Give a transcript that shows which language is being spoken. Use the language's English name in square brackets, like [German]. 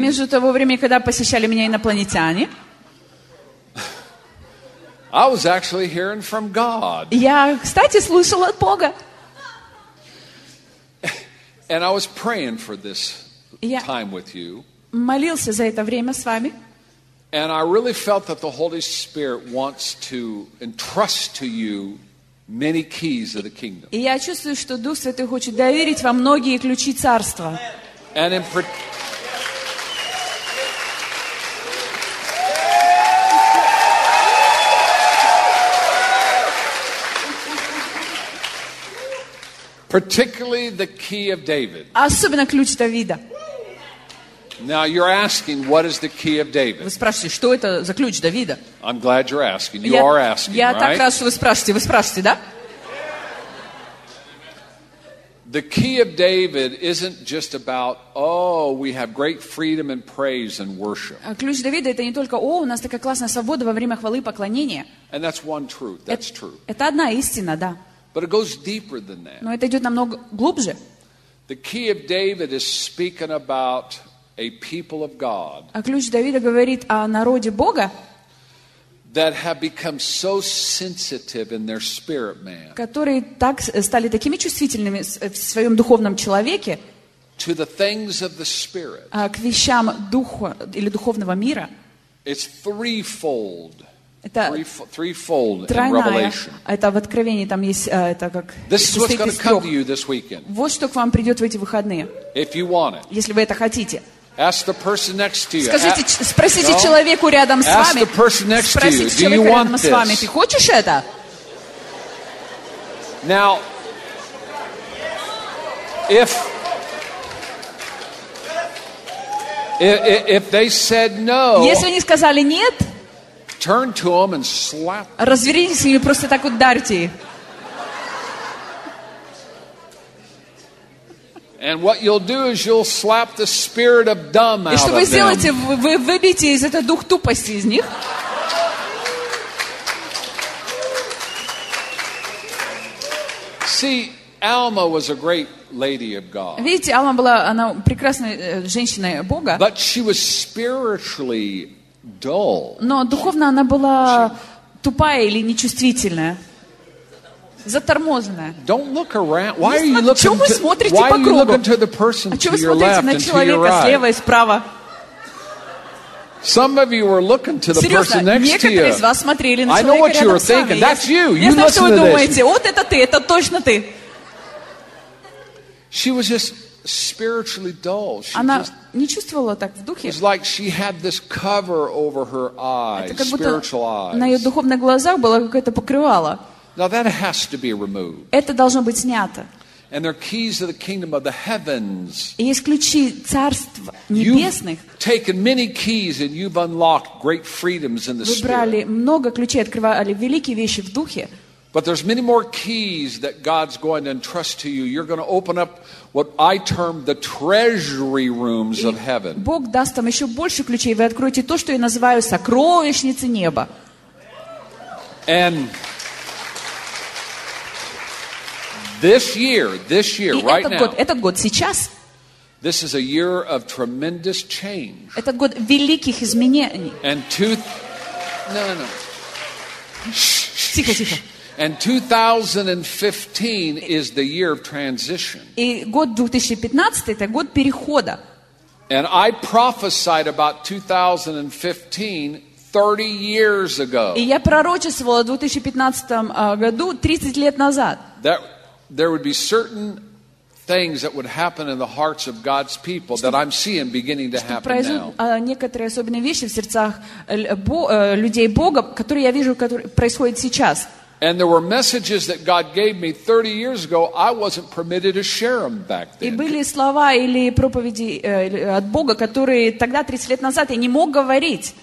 [Russian] Между того времени, когда посещали меня инопланетяне. [English] I was actually hearing from God. [Russian] Я, кстати, слышал от Бога. [English] And I was praying for this time with you. [Russian] молился за это время с вами. [English] And I really felt that the Holy Spirit wants to entrust to you many keys of the kingdom. [Russian] И я чувствую, что Дух Святой хочет доверить вам многие ключи царства. [English] And in particularly the key of David. [Russian] Особенно ключ Давида. [English] Now you're asking, what is the key of David? [Russian] Вы спрашиваете, что это за ключ Давида? [English] I'm glad you're asking. You are asking, right? [Russian] Я так рад, что вы спрашиваете. Вы спрашиваете, да? [English] The key of David isn't just about, oh, we have great freedom and praise and worship. [Russian] Ключ Давида — это не только, о, у нас такая классная свобода во время хвалы и поклонения. [English] And that's one truth. That's true. [Russian] Это одна истина, да. [English] But it goes deeper than that. [Russian] Но это идет намного глубже. [English] The key of David is speaking about a people of God. [Russian] А ключ Давида говорит о народе Бога. [English] That have become so sensitive in their spirit man. [Russian] Которые так стали такими чувствительными в своем духовном человеке. [English] To the things of the spirit. [Russian] К вещам духа или духовного мира. [English] It's threefold. [Russian] Это [English] threefold in Revelation. [Russian] Это в Откровении там есть, это как. [English] This is what's going to come to you this weekend. [Russian] Вот что к вам придет в эти выходные. [English] If you want it. [Russian] Если вы это хотите. [English] Ask the person next to you. [Russian] Скажите, спросите человеку рядом с вами. [English] Ask the person next to you. [Russian] Спросите человека рядом с вами. Ты хочешь это? [English] Now, if they said no. [Russian] Если они сказали нет. [English] Turn to them and slap. [Russian] Развернитесь и просто так ударьте. [English] And what you'll do is you'll slap the spirit of dumb out of them. [Russian] И что вы сделаете? Вы выбьете из этого дух тупости из них. [English] See, Alma was a great lady of God. [Russian] Видите, Алма была, она прекрасная женщина Бога. [English] But she was spiritually dull. [Russian] Но духовно она была тупая или нечувствительная. Затормозная. [English] Don't look around. Why are you looking? Why are you looking to the person to your left and to your right? [Russian] Слева и справа. [English] Some of you were looking to the person next to you. [Russian] Серьезно, некоторые из вас смотрели на человека. [English] I know what you were thinking. That's you. You listen to this. [Russian] Я знаю, что вы думаете. Вот это ты. Это точно ты. [English] She was just spiritually dull. She [Russian] она [English] just, [Russian] не чувствовала так в духе. [English] It's like she had this cover over her eyes, spiritual eyes. [Russian] На ее духовных глазах было какое-то покрывало. [English] Now that has to be removed. [Russian] Это должно быть снято. [English] And there are keys of the kingdom of the heavens. [Russian] И есть ключи царств небесных. [English] You've taken many keys and you've unlocked great freedoms in the spirit. [Russian] Вы брали много ключей, открывали великие вещи в духе. [English] But there's many more keys that God's going to entrust to you. You're going to open up what I term the treasury rooms of heaven. [Russian] Бог даст вам еще больше ключей, вы откроете то, что я называю сокровищницей неба. [English] And this year, [Russian] и [English] right [Russian] этот год, [English] now. [Russian] Этот год, сейчас. [English] This is a year of tremendous change. [Russian] Этот год великих изменений. [English] And two, no, no, no. [Russian] Тихо, тихо. [English] And 2015 is the year of transition. [Russian] И год 2015 — это год перехода. [English] And I prophesied about 2015 30 years ago. [Russian] И я пророчествовала в 2015 году 30 лет назад. [English] That there would be certain things that would happen in the hearts of God's people that I'm seeing beginning to happen now. [Russian] Некоторые особенные вещи в сердцах людей Бога, которые я вижу, которые происходят сейчас. [English] And there were messages that God gave me 30 years ago. I wasn't permitted to share them back then. [Russian] И были слова или проповеди от Бога, которые тогда 30 лет назад я не мог говорить.